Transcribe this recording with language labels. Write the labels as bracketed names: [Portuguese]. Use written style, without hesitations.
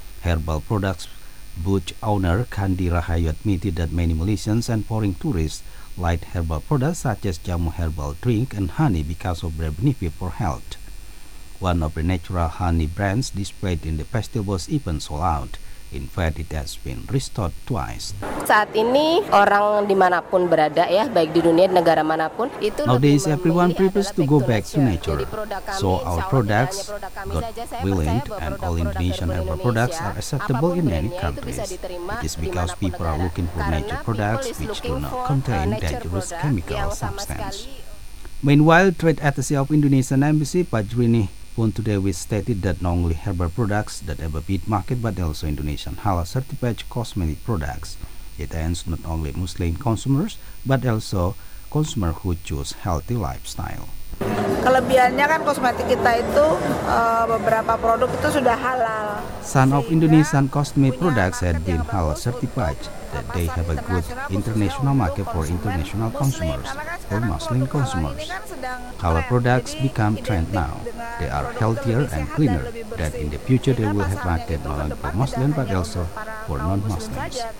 [English] Herbal products booth owner Kandi Rahayu admitted that many Malaysians and foreign tourists like herbal products such as jamu herbal drink and honey because of their benefit for health. One of the natural honey brands displayed in the festival was even sold out. In fact, it has been restored twice. [Indonesian] Saat ini orang dimanapun berada ya, baik di dunia negara manapun. [English] Nowadays, everyone prefers to go back to nature. So our products got ruined, and all Indonesian herbal products are acceptable in many countries. It is because people are looking for nature products which do not contain dangerous chemical substance. Meanwhile, Trade Attaché of Indonesian Embassy Pajrini Pun today we stated that not only herbal products that have a big market but also Indonesian halal certified cosmetic products. It aims not only Muslim consumers but also consumers who choose healthy lifestyle. [Indonesian] Kelebihannya kan kosmetik kita itu beberapa produk itu sudah halal. [English] Some of Indonesian cosmetic products had been halal certified, that they have a good international market for international consumers, for Muslim consumers. Halal products become trend now. They are healthier and cleaner. That in the future they will have market not only for Muslim but also for non-Muslims.